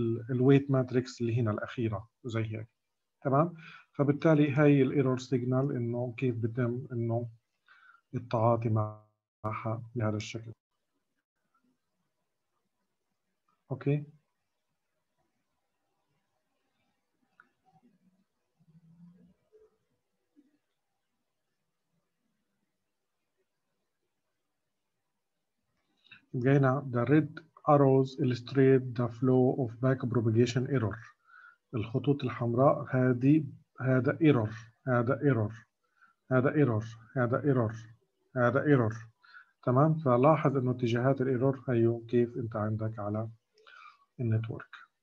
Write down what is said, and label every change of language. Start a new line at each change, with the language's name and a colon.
Arabic: الويت ماتريكس اللي هنا الاخيره زي هيك، تمام؟ فبالتالي هاي الايرور سيجنال انه كيف بتم انه التعاطي معها بهذا الشكل. اوكي بقينا
English: the red arrows illustrate the flow of back propagation error.
Arabic: الخطوط الحمراء هذه هذا ايرور هذا ايرور هذا ايرور هذا ايرور هذا ايرور تمام. فلاحظ انه اتجاهات الايرور هيو كيف انت عندك على النتورك.